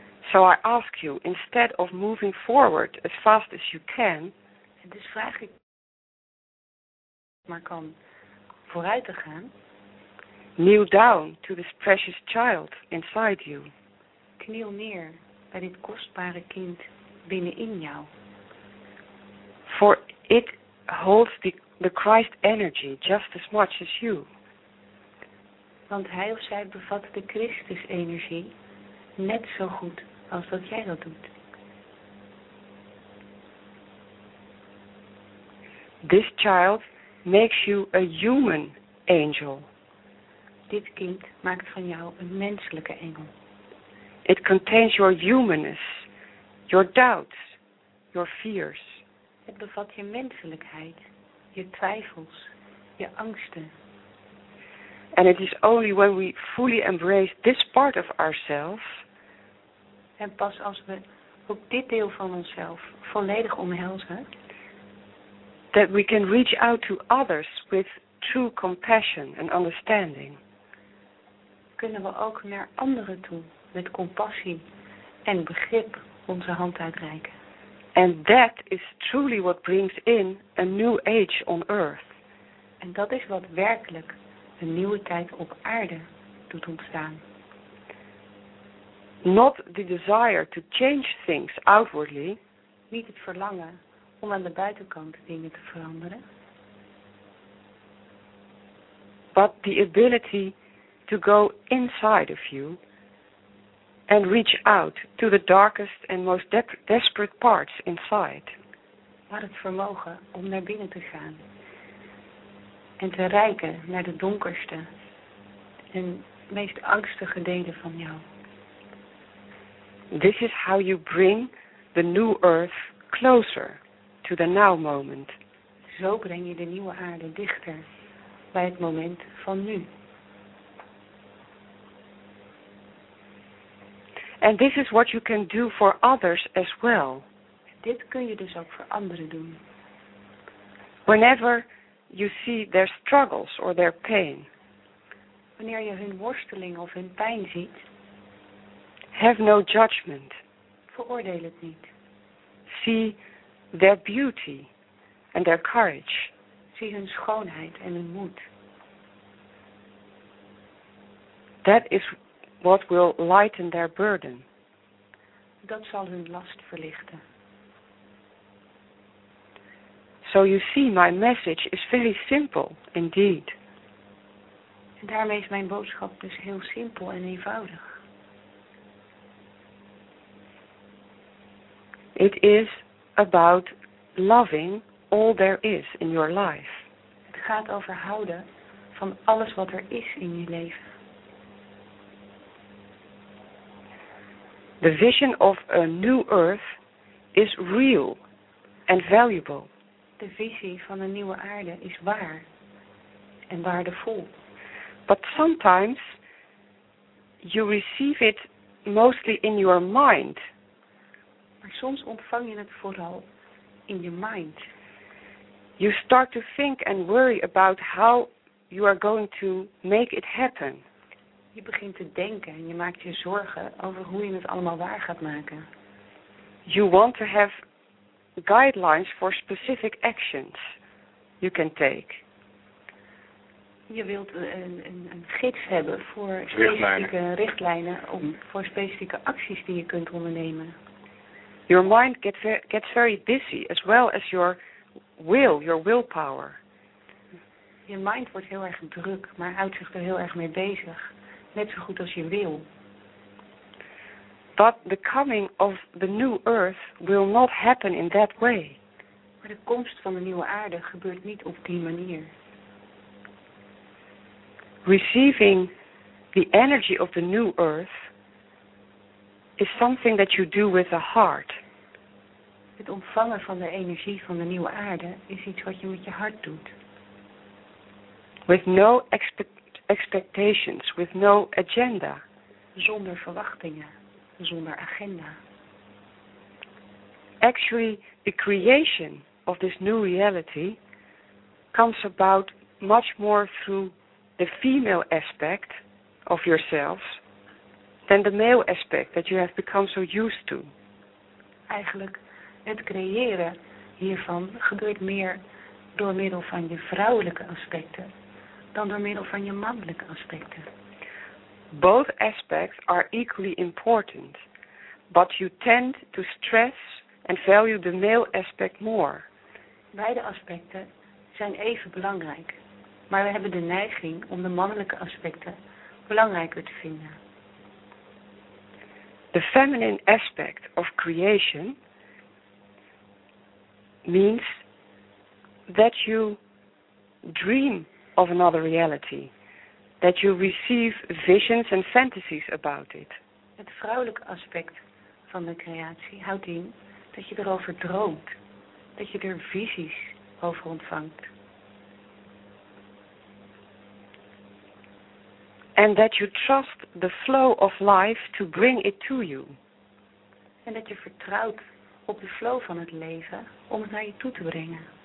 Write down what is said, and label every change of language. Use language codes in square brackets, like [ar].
[en] So I ask you, instead of moving forward as fast as you can, [nl] dus vraag ik maar kan vooruit te gaan. [en] Kneel down to this precious child inside you. [nl] Kniel neer bij dit kostbare kind. Binnenin jou. [en] For it holds the Christ energy just as much as you. [nl] Want hij of zij bevat de Christus energie net zo goed als dat jij dat doet. [en] This child makes you a human angel. [nl] Dit kind maakt van jou een menselijke engel. [en] It contains your humanness. Your doubts, your fears. [nl] Het bevat je menselijkheid, je twijfels, je angsten. [en] And it is only when we fully embrace this part of ourselves. [nl] En pas als we ook dit deel van onszelf volledig omhelzen. That we can reach out to others with true compassion and understanding. Kunnen we ook naar anderen toe met compassie en begrip. Onze hand uitreiken. [en] And that is truly what brings in a new age on earth. [nl] En dat is wat werkelijk een nieuwe tijd op aarde doet ontstaan. [en] Not the desire to change things outwardly. [nl] Niet het verlangen om aan de buitenkant dingen te veranderen. [en] But the ability to go inside of you. And reach out to the darkest and most desperate parts inside. [nl] Maar het vermogen om naar binnen te gaan. En te reiken naar de donkerste en meest angstige delen van jou. [en] This is how you bring the new earth closer to the now moment. [nl] Zo breng je de nieuwe aarde dichter bij het moment van nu. [en] And this is what you can do for others as well. [nl] Dit kun je dus ook voor anderen doen. [en] Whenever you see their struggles or their pain. [nl] Wanneer je hun worsteling of hun pijn ziet. [en] Have no judgment. [nl] Veroordeel het niet. [en] See their beauty and their courage. [nl] Zie hun schoonheid en hun moed. [en] That is what will lighten their burden. [nl] Dat zal hun last verlichten. [en] So you see, my message is very simple indeed. [nl] En daarmee is mijn boodschap dus heel simpel en eenvoudig. [en] It is about loving all there is in your life. [nl] Het gaat over houden van alles wat er is in je leven. [en] The vision of a new earth is real and valuable. [nl] De visie van een nieuwe aarde is waar en waardevol. [en] But sometimes you receive it mostly in your mind. [nl] Maar soms ontvang je het vooral in je mind. [en] You start to think and worry about how you are going to make it happen. [nl] Je begint te denken en je maakt je zorgen over hoe je het allemaal waar gaat maken. [en] You want to have guidelines for specific actions you can take. [nl] Je wilt een gids hebben voor specifieke richtlijnen om voor specifieke acties die je kunt ondernemen. [en] Your mind gets very busy as well as your willpower. [nl] Je mind wordt heel erg druk, maar houdt zich er heel erg mee bezig, net zo goed als je wil. [en] But the coming of the new earth will not happen in that way. [nl] Maar de komst van de nieuwe aarde gebeurt niet op die manier. [en] Receiving the energy of the new earth is something that you do with the heart. [nl] Het ontvangen van de energie van de nieuwe aarde is iets wat je met je hart doet. [en] With no expectations, with no agenda. [nl] Zonder verwachtingen, zonder agenda. [en] Actually, the creation of this new reality comes about much more through the female aspect of yourself than the male aspect that you have become so used to. [nl] Eigenlijk, het creëren hiervan gebeurt meer door middel van je vrouwelijke aspecten dan door middel van je mannelijke aspecten. [en] Both aspects are equally important, but you tend to stress and value the male aspect more. [nl] Beide aspecten zijn even belangrijk, maar we hebben de neiging om de mannelijke aspecten belangrijker te vinden. [en] The feminine aspect of creation means that you dream of another reality, that you receive visions and fantasies about it. [nl] Het vrouwelijke aspect van de creatie houdt in dat je erover droomt, dat je er visies over ontvangt. [en] And that you trust the flow of life to bring it to you. [nl] En dat je vertrouwt op de flow van het leven om het naar je toe te brengen.